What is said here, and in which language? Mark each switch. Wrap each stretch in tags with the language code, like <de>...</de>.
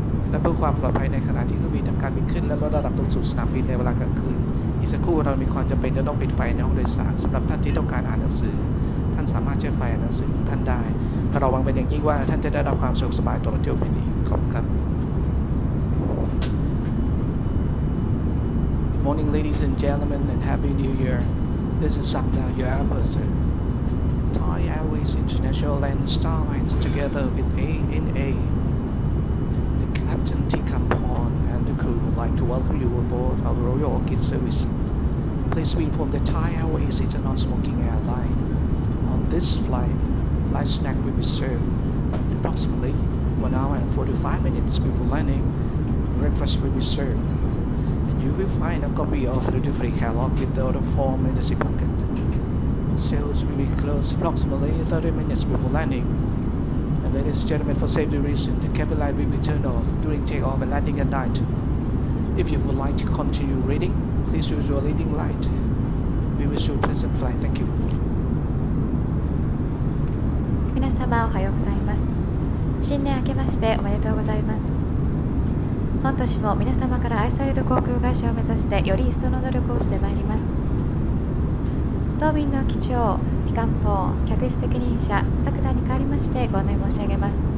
<th>และเพื่อความปลอดภัยในขณะที่เครื่องบินทำการบินขึ้นและลดระดับลงสู่สนามบินในเวลากลางคืนอีกสักครู่เรามีความจำเป็นจะต้องปิดไฟในห้องโดยสารสำหรับท่านที่ต้องการอ่านหนังสือท่านสามารถใช้ไฟหนังสือท่านได้เราหวังเป็นอย่างยิ่งว่าท่านจะได้รับความสะดวกสบายตลอดเที่ยวบินนี้ขอบคุณ</th> <en>Good morning ladies and gentlemen and happy new year this is Sakda your officerThai Airways International Land Star Lines together with ANA. The Captain Thi Kham Phorn and the crew would like to welcome you aboard our Royal Orchid service. Please be informed that Thai Airways is a non-smoking airline. On this flight, light snack will be served approximately 1 hour and 45 minutes before landing. Breakfast will be served. And you will find a copy of the duty-free catalog with the order form in the seat pocket. Sales will be closed approximately 30 minutes before landing. And ladies and gentlemen, for safety reasons, the cabin light will be turned off during takeoff and landing at night. If you would like to continue reading, please use your reading light. We wish you a pleasant flight. Thank you.</en> <ja>皆様おはようございます。新年明けましておめでとうございます。本年も皆様から愛される航空会社を目指してより一層の努力をしてまいります。当便の機長、機関砲、客室責任者、佐久田に代わりましてご案内申し上げます。</ja>